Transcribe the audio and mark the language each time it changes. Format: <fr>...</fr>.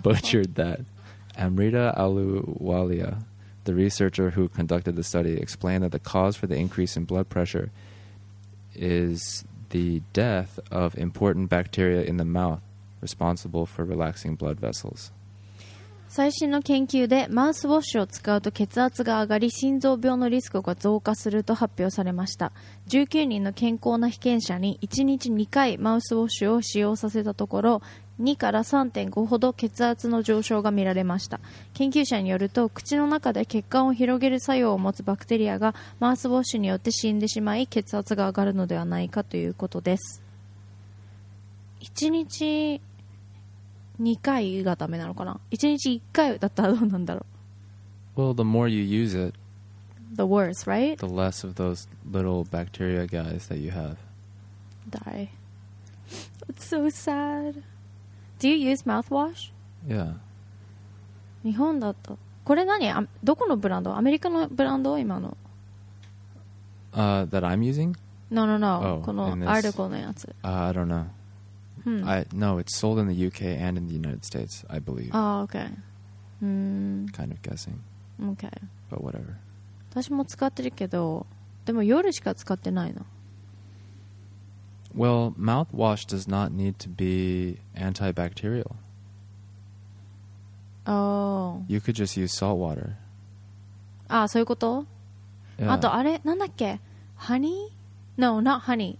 <en>Butchered that. Amrita Ahluwalia, the researcher who conducted the study, explained that the cause for the increase in blood pressure is the death of important bacteria in the mouth, responsible for relaxing blood vessels.</en> <ja>最新の研究でマウスウォッシュを使うと血圧が上がり心臓病のリスクが増加すると発表されました。 19人の健康な被験者に1日2回マウスウォッシュを使用させたところ2から 3.5 ほど血圧の上昇が見られました。研究者によると、口の中で血管を広げる作用を持つバクテリアがマウスウォッシュによって死んでしまい、血圧が上がるのではないかということです。 1日2回がダメなのかな ?1 日1回だったらどうなんだろう</ja> <en>?Well, the more you use it, the worse, right? The less of those little bacteria guys that you have. Die. That's so sad. Do you use mouthwash? Yeah.</en> <ja>日本だった。これ何？どこのブランド？アメリカのブランド？今の。</ja> <en>That I'm using? No, no, no. Oh,</en> <ja>このアルコのやつ。</ja> <en>I don't know. No, it's sold in the UK and in the United States, I believe. Oh, okay. Kind of guessing. Okay. But whatever.</en> <ja>私も使ってるけど、でも夜しか使ってないの。</ja> <en>Well, mouthwash does not need to be antibacterial. Oh. You could just use salt water.</en> <ja>Ah, そういうこと?</ja> <en>Yeah.</en> <ja>あと、あれ、なんだっけ?</ja> <en>Honey? No, not honey.</en>